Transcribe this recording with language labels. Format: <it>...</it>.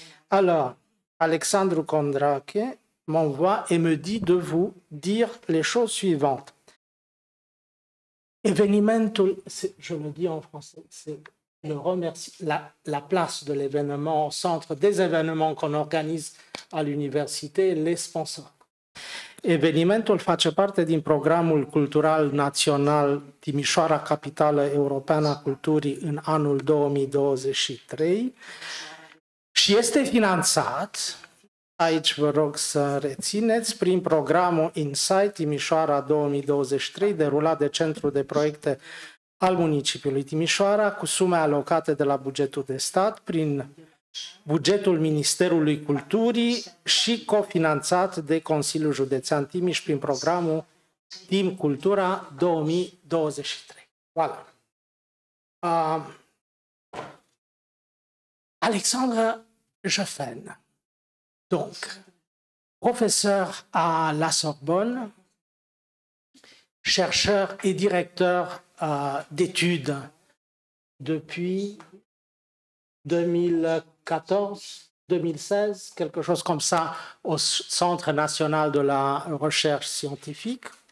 <fr>Alors, Alexandru Kondrake m'envoie et me dit de vous dire les choses suivantes. Evenimentul, je le dis en français, c'est le remercier, la place de l'événement au centre des événements qu'on organise à l'université, les sponsors.</fr> <ro>Evenimentul face parte din programul cultural național Timișoara Capitală Europeană a Culturii în anul 2023 și este finanțat, aici vă rog să rețineți, prin programul Insight Timișoara 2023 derulat de Centrul de Proiecte al Municipiului Timișoara cu sume alocate de la bugetul de stat prin bugetul Ministerului Culturii și cofinanțat de Consiliul Județean Timiș prin programul Timp Cultura 2023.</ro> <fr>Voilà. Alexandre Geffen, donc, professeur à la Sorbonne, chercheur et directeur d'études depuis 2014-2016, quelque chose comme ça, au Centre national de la recherche scientifique.</fr>